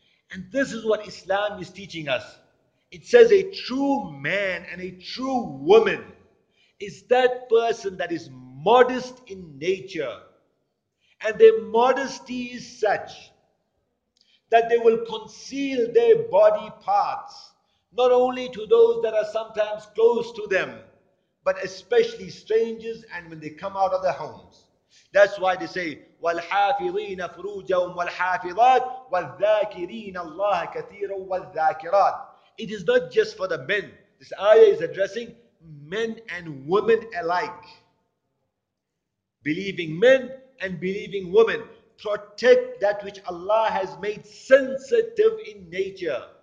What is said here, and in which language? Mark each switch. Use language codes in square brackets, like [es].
[en] And this is what Islam is teaching us. It says a true man and a true woman is that person that is modest in nature. And their modesty is such that they will conceal their body parts, not only to those that are sometimes close to them, but especially strangers and when they come out of their homes. That's why they say, [ar] وَالْحَافِظِينَ فُرُوجَهُمْ وَالْحَافِظَاتِ وَالذَّاكِرِينَ اللَّهَ كَثِيرًا وَالذَّاكِرَاتِ. [en] It is not just for the men. This ayah is addressing men and women alike. Believing men and believing women. Protect that which Allah has made sensitive in nature.